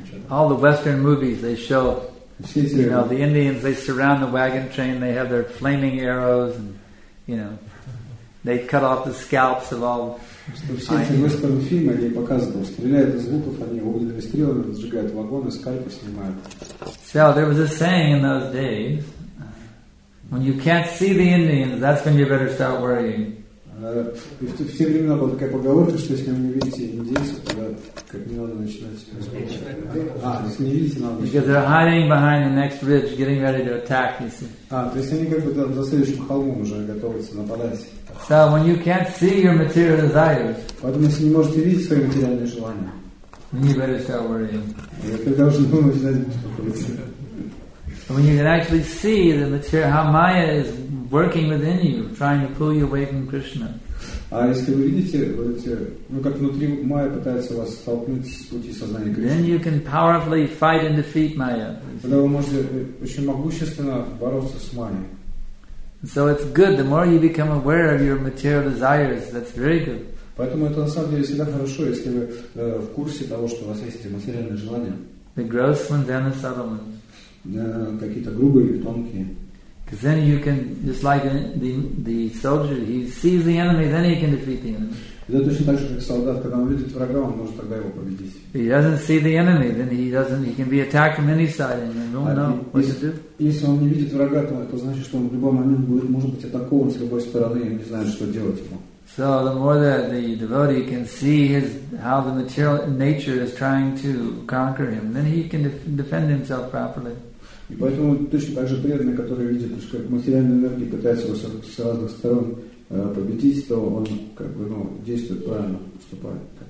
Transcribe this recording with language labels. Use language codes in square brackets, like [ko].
[en] All the western movies, they show, you know, the Indians, they surround the wagon train, they have their flaming arrows, and, you know, they cut off the scalps of all. [ru] Что все эти вестерн фильмы, они показывают, стреляют из луков, они огненными стрелами сжигают вагоны, скальпы снимают. [en] So there was a saying in those days, when you can't see the Indians, that's when you better start worrying. [ru] Все времена была такая поговорка, что если вы не видите индейцев, тогда как не надо начинать. Если не видите, надо. [en] Because they're hiding behind the next ridge, getting ready to attack. You see. [ru] То есть они как бы там за следующим холмом уже готовятся нападать. [en] So when you can't see your material desires, [ru] поэтому если не можете видеть свои материальные желания, [en] then you better start worrying. [ru] Это должно начинать беспокоиться. [en] When you can actually see the material, how Maya is working within you, trying to pull you away from Krishna. [ru] А если вы видите, как внутри Майя пытается вас столкнуть с пути сознания Кришны. [en] Then you can powerfully fight and defeat Maya. [ru] Тогда вы можете очень могущественно бороться с Майей. [en] So it's good. The more you become aware of your material desires, that's very good. [ru] Поэтому это на самом деле всегда хорошо, если вы в курсе того, что у вас есть материальные желания. [en] The gross ones and the subtle ones. [ru] Какие-то грубые или тонкие. [en] Because then you can, just like the soldier, he sees the enemy, then he can defeat the enemy. [ru] Это точно так же, как солдат, когда он видит врага, он может тогда его победить. [en] He doesn't see the enemy, then he can be attacked from any side, and you don't know what to do. [ru] Если он не видит врага, то это значит, что он в любой момент будет, может быть, атакован с любой стороны, и он не знает, что делать ему. [en] So the more that the devotee can see how the material nature is trying to conquer him, then he can defend himself properly. [ru] И поэтому точно так же преданный, который видит, как материальная энергия пытается его с разных сторон победить, то он как бы, ну, действует правильно, поступает.